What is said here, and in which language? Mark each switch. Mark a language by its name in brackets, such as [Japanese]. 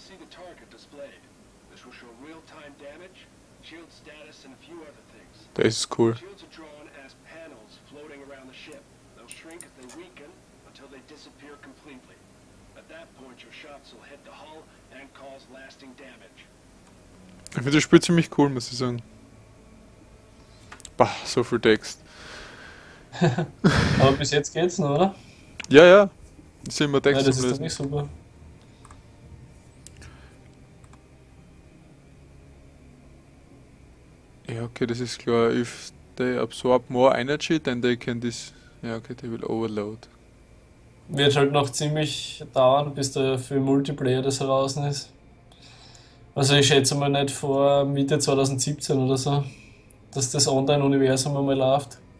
[English] target displayed. This will show real-time damage, shield status and a few other things. This is cool. Shields are drawn as panels floating around the ship. They'll shrink if they weaken until they disappear completely. At that point your shots will hit the hull and cause lasting damage. [German] Ich finde das Spiel ziemlich cool, muss ich sagen. Bah, so viel Text. Aber bis jetzt geht's noch, oder? Ja, ja. Ich sehe immer Text. Nein, das ist doch nicht super. Ja, okay, das ist klar. [English] If they absorb more energy, then they can this. [German] Ja, okay, [English] they will overload. [German] Wird halt noch ziemlich dauern, bis da für Multiplayer das heraus ist. Also ich schätze mal nicht vor Mitte 2017 oder so, dass das Online-Universum einmal läuft.